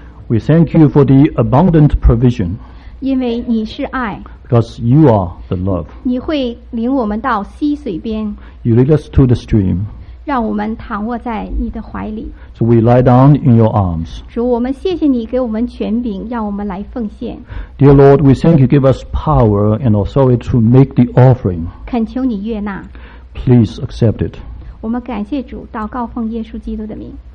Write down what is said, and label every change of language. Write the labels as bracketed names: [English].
[English] We thank you for the abundant provision. [Chinese] 因为你是爱。 [English] Because you are the love. [Chinese] 你会领我们到溪水边。 [English] You lead us to the stream. [Chinese] 让我们躺卧在你的怀里。 [English] So we lie down in your arms. [Chinese] 主，我们谢谢你给我们权柄，让我们来奉献。 [English] Dear Lord, we thank you give us power and authority to make the offering. [Chinese] 恳求你悦纳。 [English] Please accept it. [Chinese] 我们感谢主，祷告奉耶稣基督的名。